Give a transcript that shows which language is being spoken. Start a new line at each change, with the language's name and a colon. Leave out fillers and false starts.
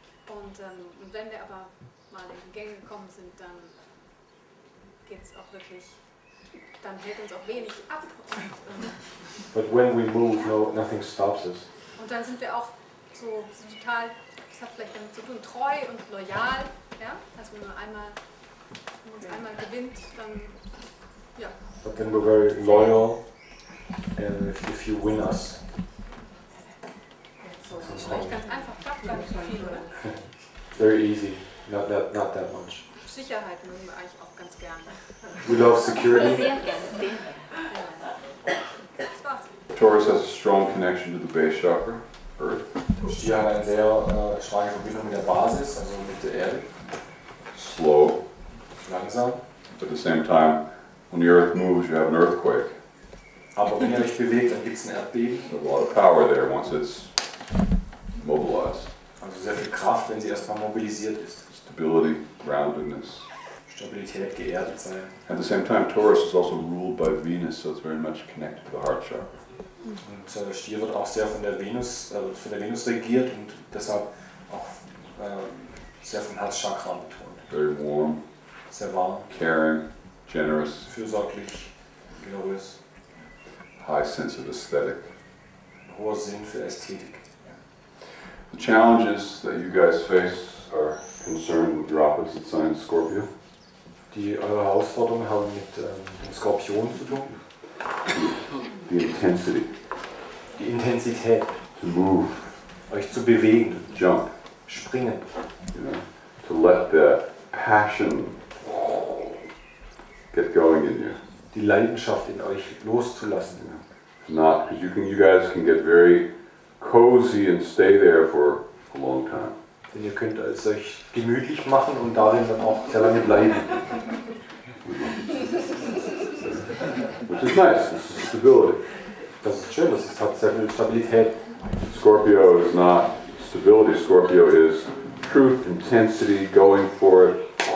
German: Und wenn wir aber mal in die Gänge gekommen sind, dann geht's auch wirklich. Dann hält uns auch wenig ab.
English: But when we move, no, nothing stops us.
German: Und dann sind wir auch so total, das hat vielleicht damit zu tun, treu und loyal. Ja? Also wenn man einmal, wenn man uns einmal gewinnt, dann, ja.
English: But then we're very loyal, if you win us.
German: So, das ist ganz einfach, klappt gar nicht so viel, oder?
English: Very easy, not that much.
German: Sicherheit mögen wir eigentlich auch ganz gerne.
English: We love security. Taurus has a strong connection to the base chakra, Earth.
German: Stier hat eine sehr starke Verbindung mit der Basis, also mit der Erde.
English: Slow.
German: Langsam.
English: At the same time, when the Earth moves, you have an earthquake.
German: Aber wenn er sich bewegt, dann gibt es ein Erdbeben.
English: There's a lot of power there once it's mobilized.
German: Also sehr viel Kraft, wenn sie erstmal mobilisiert ist.
English: Stability, groundedness.
German: Stabilität, geerdet sein.
English: At the same time, Taurus is also ruled by Venus, so it's very much connected to the heart chakra.
German: Und Stier wird auch sehr von der Venus regiert und deshalb auch sehr vom Herzchakra betont.
English: Very warm.
German: Sehr warm.
English: Caring, generous.
German: Fürsorglich, generös.
English: High sense of aesthetic.
German: Hoher Sinn für Ästhetik.
English: The challenges that you guys face are concerned with your opposite sign, Scorpio.
German: Die eure Herausforderungen haben mit dem Skorpion zu tun.
English: The intensity.
German: Die Intensität.
English: To move.
German: Euch zu bewegen.
English: Jump.
German: Springen.
English: You know, to let the passion get going in you.
German: Die Leidenschaft in euch loszulassen.
English: You know, not, because you guys can get very cozy and stay there for a long time.
German: Denn ihr könnt es euch gemütlich machen und darin dann auch sehr lange bleiben.
English: Which is nice, this is stability.
German: Das ist schön, das hat sehr viel Stabilität.
English: Scorpio is not stability, Scorpio is truth, intensity, going for it.